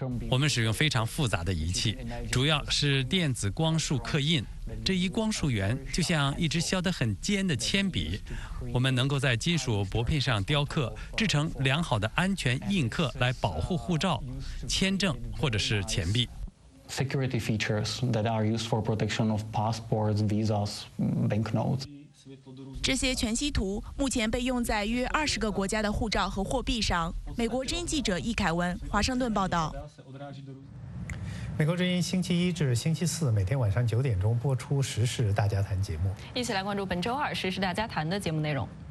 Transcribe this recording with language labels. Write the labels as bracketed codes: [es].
[zh] 我们使用非常复杂的仪器，主要是电子光束刻印。这一光束源就像一支削得很尖的铅笔，我们能够在金属薄片上雕刻，制成良好的安全印刻来保护护照、签证或者是钱币。 [en] Security features that are used for protection of passports, visas, banknotes. [zh] 这些全息图目前被用在约20个国家的护照和货币上。美国之音记者易凯文，华盛顿报道。美国之音星期一至星期四每天晚上9点播出《时事大家谈》节目，一起来关注本周二《时事大家谈》的节目内容。